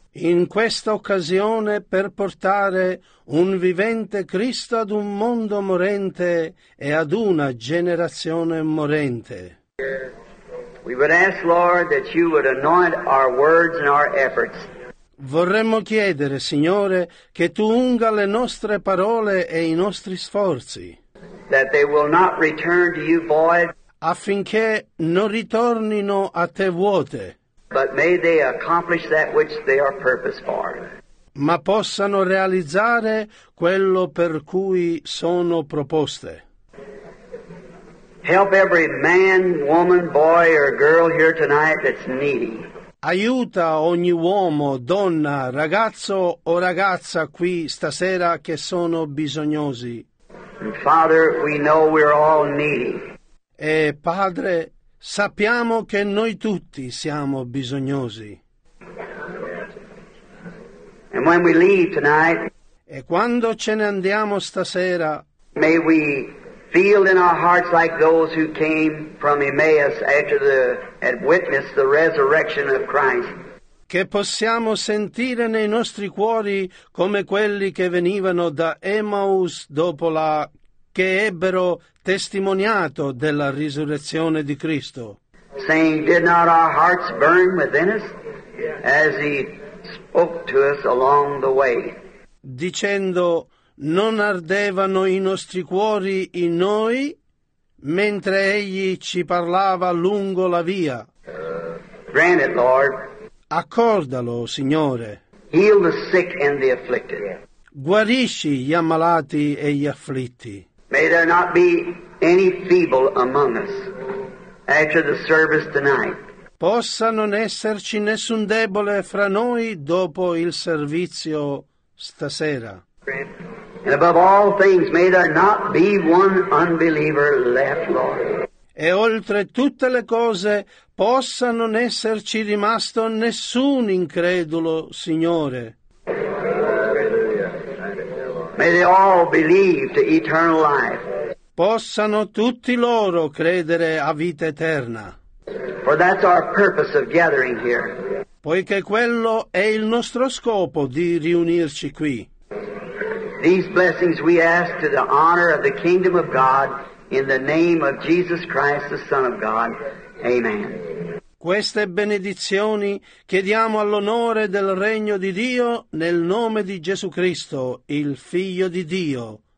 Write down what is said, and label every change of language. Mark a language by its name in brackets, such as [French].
[Italian] In questa occasione per portare un vivente Cristo ad un mondo morente e ad una generazione morente. [English] We would ask, Lord, that you would anoint our words and our efforts. [Italian] Vorremmo chiedere, Signore, che tu unga le nostre parole e i nostri sforzi. [English] That they will not return to you void. [Italian] Affinché non ritornino a te vuote. [English] But may they accomplish that which they are purposed for. [Italian] Ma possano realizzare quello per cui sono proposte. [English] Help every man, woman, boy or girl here tonight that's needy. [Italian] Aiuta ogni uomo, donna, ragazzo o ragazza qui stasera che sono bisognosi. [English] And Father, we know we're all needy. [Italian] E Padre, sappiamo che noi tutti siamo bisognosi. [English] And when we leave tonight, [Italian] e quando ce ne andiamo stasera, [English] may we feel in our hearts like those who came from Emmaus after the had witnessed the resurrection of Christ. [Italian] Che possiamo sentire nei nostri cuori come quelli che venivano da Emmaus dopo la che ebbero testimoniato della risurrezione di Cristo. [English] Saying, did not our hearts burn within us as he spoke to us along the way? [Italian] Dicendo, non ardevano i nostri cuori in noi mentre egli ci parlava lungo la via. [English] Grant it, Lord. [Italian] Accordalo, Signore. [English] Heal the sick and the afflicted. [Italian] Guarisci gli ammalati e gli afflitti. [English] May there not be any feeble among us after the service tonight. [Italian] Possa non esserci nessun debole fra noi dopo il servizio stasera. [English] And above all things, may there not be one unbeliever left, Lord. [Italian] E oltre tutte le cose, possa non esserci rimasto nessun incredulo, Signore. [English] May they all believe to eternal life. [Italian] Possano tutti loro credere a vita eterna. [English] For that's our purpose of gathering here. [Italian] Poiché quello è il nostro scopo di riunirci qui. [English] These blessings we ask to the honor of the kingdom of God in the name of Jesus Christ, the Son of God. Amen. [Italian] Queste benedizioni chiediamo all'onore del regno di Dio nel nome di Gesù Cristo, il Figlio di Dio.